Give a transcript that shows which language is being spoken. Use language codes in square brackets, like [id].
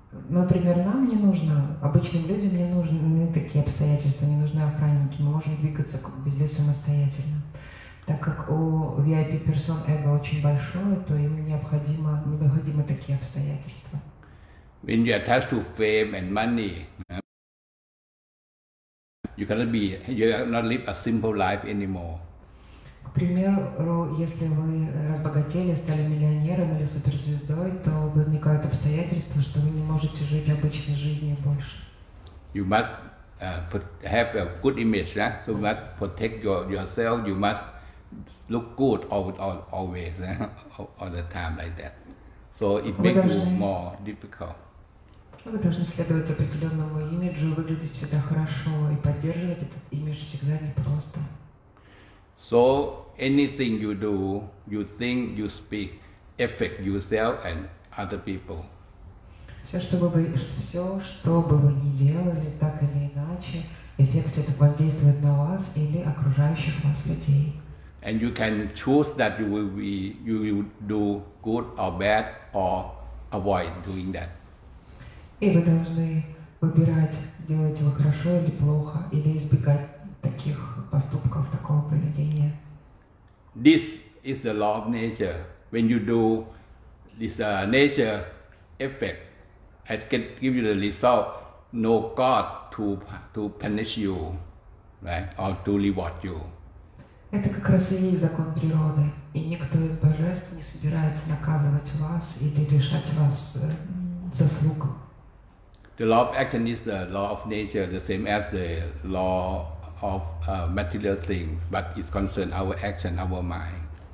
[ru] Например, нам не нужно, обычным людям не нужны такие обстоятельства, не нужны охранники, мы можем двигаться везде самостоятельно. Так как у VIP персон эго очень большое, то им необходимы такие обстоятельства. [en] When you attach to fame and money, you cannot be, you cannot live a simple life anymore. [ru] К примеру, если вы разбогатели, стали миллионером или суперзвездой, то возникают обстоятельства, что вы не можете жить обычной жизнью больше. [en] You must have a good image, yeah? So you must protect yourself. You must look good always, all the time like that. So it makes you more difficult. [ru] Вы должны следовать определенному имиджу, выглядеть всегда хорошо и поддерживать этот имидж всегда непросто. [en] So anything you do, you think, you speak, affect yourself and other people. [ru] Все, что бы вы ни делали, так или иначе, эффект это воздействует на вас или окружающих вас людей. [en] And you can choose that you will do good or bad or avoid doing that. [ru] И вы должны выбирать, делать его хорошо или плохо, или избегать таких поступков, такого поведения. [en] This is the law of nature. When you do this nature effect, it can give you the result, no God to punish you, right? Or to reward you. [ru] Это как раз и есть закон природы. И никто из божеств не собирается наказывать вас или лишать вас заслуг. [en] The law of action is the law of nature, the same as the law of material things, but it's concerned our action, our mind.